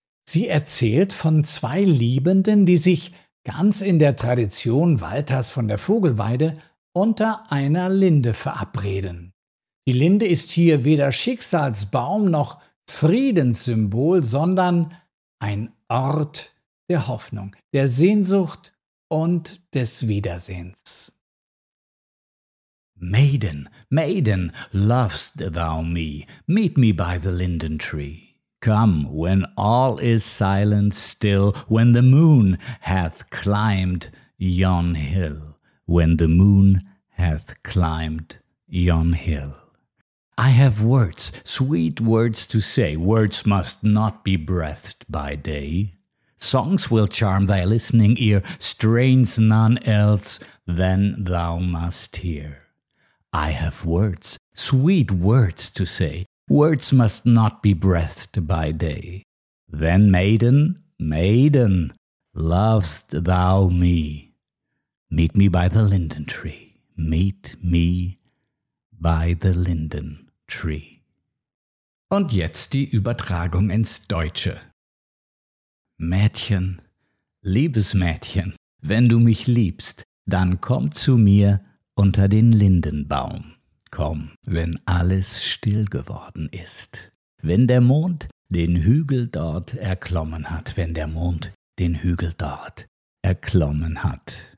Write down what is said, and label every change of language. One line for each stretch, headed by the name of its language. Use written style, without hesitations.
German: Sie erzählt von zwei Liebenden, die sich ganz in der Tradition Walters von der Vogelweide unter einer Linde verabreden. Die Linde ist hier weder Schicksalsbaum noch Friedenssymbol, sondern ein Ort der Hoffnung, der Sehnsucht und des Wiedersehens.
English: Maiden, maiden, lovest thou me? Meet me by the linden tree. Come, when all is silent still, when the moon hath climbed yon hill, when the moon hath climbed yon hill. I have words, sweet words to say, words must not be breathed by day. Songs will charm thy listening ear, strains none else than thou must hear. I have words, sweet words to say, words must not be breathed by day. Then, maiden, maiden, lovest thou me? Meet me by the linden tree, meet me by the linden tree.
German: Und jetzt die Übertragung ins Deutsche. Mädchen, liebes Mädchen, wenn du mich liebst, dann komm zu mir unter den Lindenbaum. Komm, wenn alles still geworden ist, wenn der Mond den Hügel dort erklommen hat, wenn der Mond den Hügel dort erklommen hat.